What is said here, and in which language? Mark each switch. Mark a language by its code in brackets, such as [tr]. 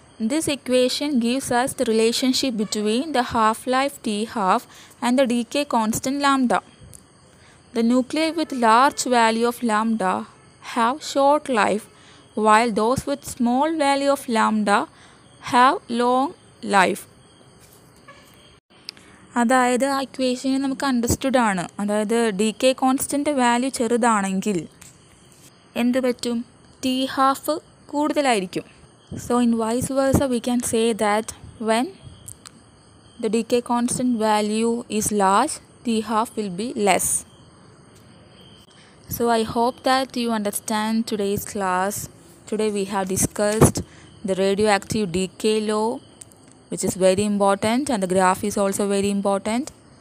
[en] This equation gives us the relationship between the half-life T half and the decay constant lambda. The nuclei with large value of lambda have short life, while those with small value of lambda have long life. [ml] അതായത് ആ ഇക്വേഷനെ നമുക്ക് understood ആണ്. അതായത് ഡികേ constant value ചെറുതാണെങ്കിൽ എന്ത് പറ്റും? T half കൂടുതലായിരിക്കും. [en] So in vice versa we can say that when the decay constant value is large, T half will be less. So I hope that you understand today's class. Today we have discussed the radioactive decay law, which is very important, and the graph is also very important.